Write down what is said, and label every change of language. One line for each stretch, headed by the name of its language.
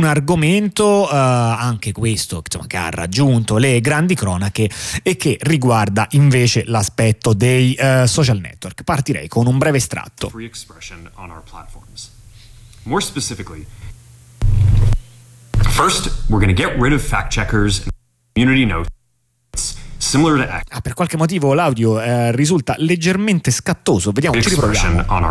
Italian: un argomento, anche questo, insomma, che ha raggiunto le grandi cronache e che riguarda invece l'aspetto dei social network. Partirei con un breve estratto.
English: Free expression on our platforms. More specifically, first, we're going to get rid of fact checkers and community notes.
Italian: Ah, per qualche motivo l'audio risulta leggermente scattoso, vediamo, ci riproviamo.